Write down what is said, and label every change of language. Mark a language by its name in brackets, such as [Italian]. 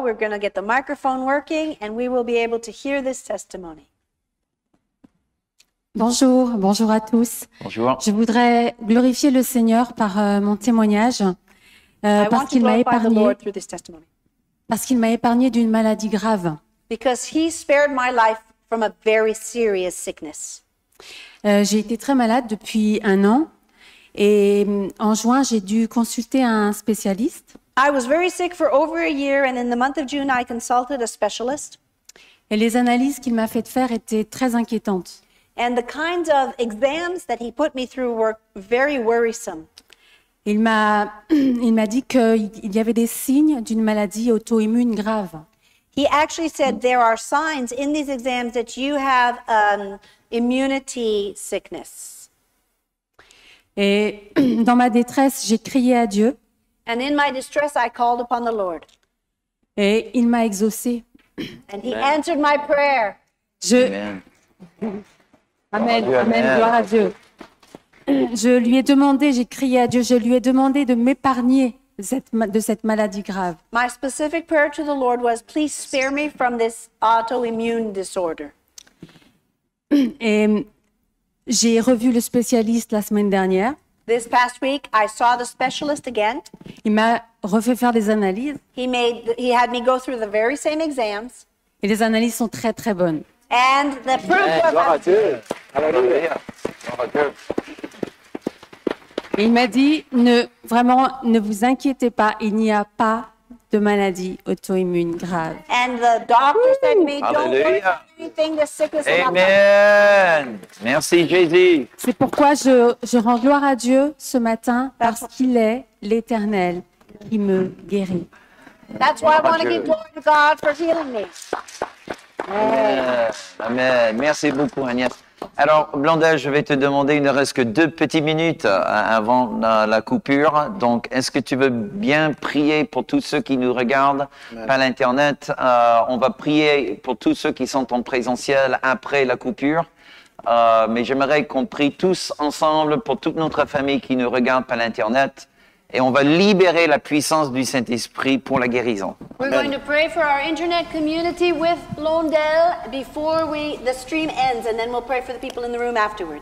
[English] We're going to get the microphone working and we will be able to hear this testimony. [French] Bonjour, bonjour à tous. Bonjour. Je voudrais glorifier le Seigneur par mon témoignage parce qu'il m'a épargné. Parce qu'il m'a épargné d'une maladie grave. [English] Because he spared my life from a very serious sickness. [French] J'ai été très malade depuis un an et en juin, j'ai dû consulter un spécialiste. [English] I was very sick for over a year and in the month of June I consulted a specialist. [French] Et les analyses qu'il m'a fait faire étaient très inquiétantes. [English] And the kinds of exams that he put me through were very worrisome. [French] Il m'a dit qu'il y avait des signes d'une maladie auto-immune grave. [English] He actually said there are signs in these exams that you have immunity sickness. [French] Et dans ma détresse, j'ai crié à Dieu. [English] And in my distress, I called upon the Lord. [French] Et il m'a exaucé. [English] And he Amen. Answered my prayer. [French] Je... [English] Amen. [French] Amen. Amen. Gloire à Dieu. Je lui ai demandé, j'ai crié à Dieu, je lui ai demandé de m'épargner de cette maladie grave. [English] My specific prayer to the Lord was, please spare me from this autoimmune disorder. [French] Et j'ai revu le spécialiste la semaine dernière. [English] This past week, I saw the specialist again. [French] Il m'a refait faire des analyses. [English] He had me go through the very same exams. [French] Et les analyses sont très, très bonnes. [English] And the proof Amen. Of [French] Gloire à Dieu. Alléluia. Il m'a dit, ne vous inquiétez pas, il n'y a pas de maladie auto-immune grave. [English] And the doctor said to me, don't do anything, the sickness Amen. Is not Amen. [French] Merci, Jésus. C'est pourquoi je rends gloire à Dieu ce matin, parce qu'il est l'Éternel qui me guérit. [English] That's why I want to give glory to God for healing me. [French] Amen. Merci beaucoup, Agnès. Alors, Blondel, je vais te demander, il ne reste que 2 petites minutes avant la coupure. Donc, est-ce que tu veux bien prier pour tous ceux qui nous regardent Amen. Par l'Internet? On va prier pour tous ceux qui sont en présentiel après la coupure. Mais j'aimerais qu'on prie tous ensemble pour toute notre famille qui nous regarde par l'Internet. Et on va libérer la puissance du Saint-Esprit pour la guérison. [English] We're going to pray for our internet community with Blondel before the stream ends, and then we'll pray for the people in the room afterwards.